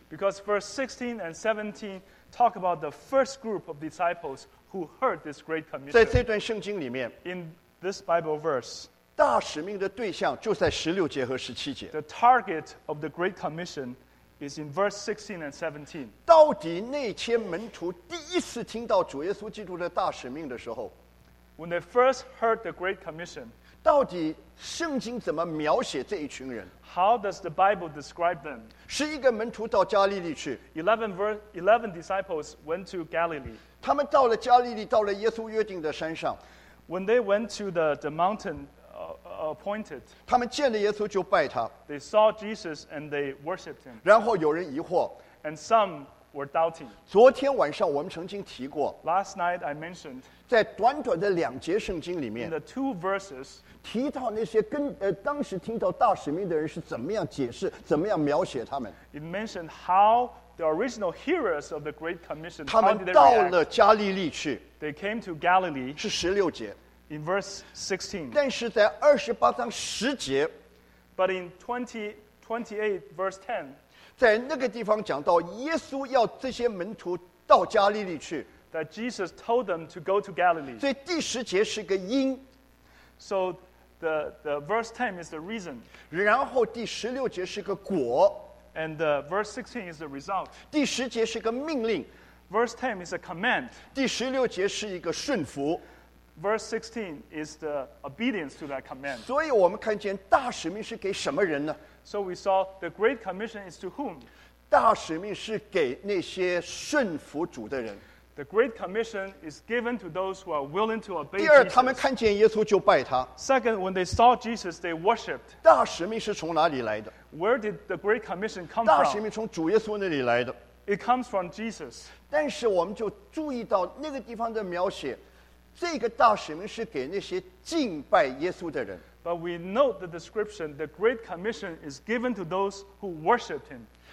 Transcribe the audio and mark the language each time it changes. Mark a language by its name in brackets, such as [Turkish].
[English] Because verse 16 and 17 talk about the first group of disciples who heard this Great Commission. [Chinese] 在这段圣经里面, [English] in this Bible verse, [Chinese] 大使命的对象就在16节和17节, [English] the target of the Great Commission is in verse 16 and 17. [Chinese] 到底那些门徒第一次听到主耶稣基督的大使命的时候, [English] when they first heard the Great Commission, [Chinese] 到底圣经怎么描写这一群人? [English] How does the Bible describe them? [Chinese] 11门徒到加利利去, [English] 11 disciples went to Galilee. [Chinese] 他们到了加利利, 到了耶稣约定的山上, [English] when they went to the mountain appointed, [Chinese] 他们见了耶稣就拜他, [English] they saw Jesus and they worshipped him. [Chinese] 然后有人疑惑, [English] and some were doubting. [Chinese] 昨天晚上我们曾经提过, [English] Last night I mentioned [Chinese] 在短短的两节圣经里面, [English] in the two verses [Chinese] 提到那些跟当时听到大使命的人是怎么样解释怎么样描写他们 [English] It mentioned how the original hearers of the Great Commission [Chinese] 他们到了加利利去, [English] They came to Galilee [Chinese] 是16节, [English] in verse 16 [Chinese] 但是在28章10节, [English] But in 28 verse 10 [Chinese] 在那个地方讲到耶稣要这些门徒到加利利去 [English] That Jesus told them to go to Galilee [Chinese] 所以第十节是个因 [English] So the verse 10 is the reason [Chinese] 然后第16节是个果 [English] And verse 16 is the result [Chinese] 第十节是个命令 [English] Verse 10 is a command [Chinese] 第16节是一个顺服 [English] Verse 16 is the obedience to that command [Chinese] 所以我们看见大使命是给什么人呢 [English] So we saw the Great Commission is to whom? [Chinese] 大使命是给那些顺服主的人。 [English] The Great Commission is given to those who are willing to obey [Chinese] 第二, [English] Jesus. [Chinese] 他们看见耶稣就拜他。 [English] Second, when they saw Jesus, they worshipped. [Chinese] 大使命是从哪里来的? [English] Where did the Great Commission come [Chinese] 大使命从主耶稣那里来的。 [English] from? [Chinese] 大使命从主耶稣那里来的。 [English] It comes from Jesus. [Chinese] 但是我们就注意到那个地方的描写, 这个大使命是给那些敬拜耶稣的人。 [English] But we note the description, the Great Commission is given to those who worship Him.